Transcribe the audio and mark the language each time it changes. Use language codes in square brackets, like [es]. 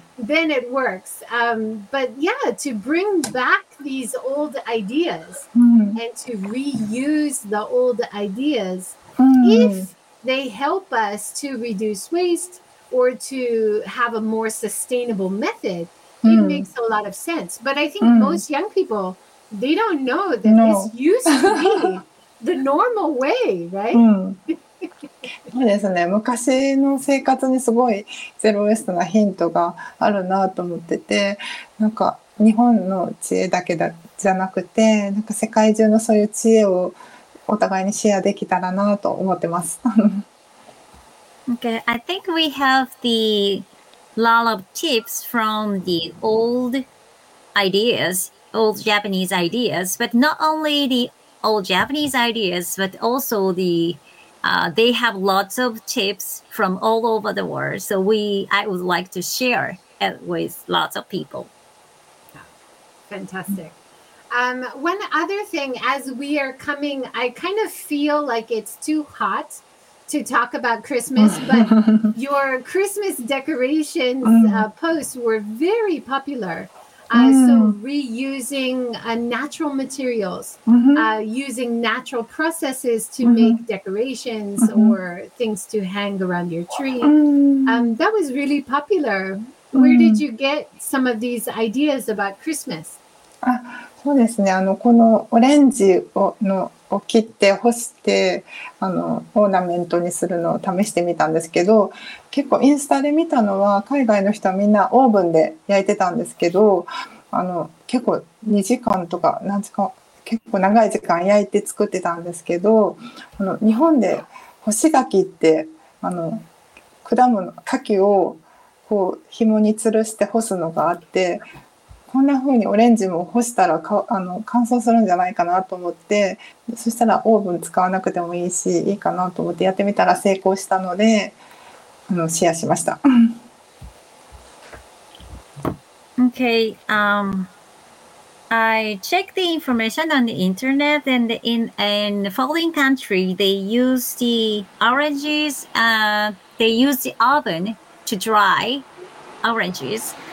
[en] Then it works. But yeah, to bring back these old ideas and to reuse the old ideas, if they help us to reduce waste or to have a more sustainable method, it makes a lot of sense. But I think most young people, they don't know that this used to be the normal way, right? [ja] そうですね、昔の生活にすごいゼロウェストなヒントがあるなと思ってて、なんか日本の知恵だけじゃなくて、なんか世界中のそういう知恵をお互いにシェアできたらなと思ってます。 [en] Okay, I think we have the lot of tips from the old ideas old Japanese ideas, but not only the old Japanese ideas, but also the they have lots of tips from all over the world. So I would like to share it with lots of people. Fantastic. One other thing, as we are coming, I kind of feel like it's too hot to talk about Christmas, but your Christmas decorations posts were very popular. So reusing natural materials, using natural processes to make decorations or things to hang around your tree. That was really popular. Where did you get some of these ideas about Christmas? [ja] そうですね、このオレンジ を切って干してオーナメントにするのを試してみたんですけど、結構インスタで見たのは海外の人はみんなオーブンで焼いてたんですけど、結構2時間とか何時間結構長い時間焼いて作ってたんですけど、日本で干し柿って果物柿をこう紐に吊るして干すのがあって、こんな風にオレンジも干したら乾燥するんじゃないかなと思って、そしたらオーブン使わなくてもいいしいいかなと思ってやってみたら成功したので、シェアしました。 [en] Okay, I checked the information on the internet, and in the following country they use the oranges, they use the oven to dry oranges.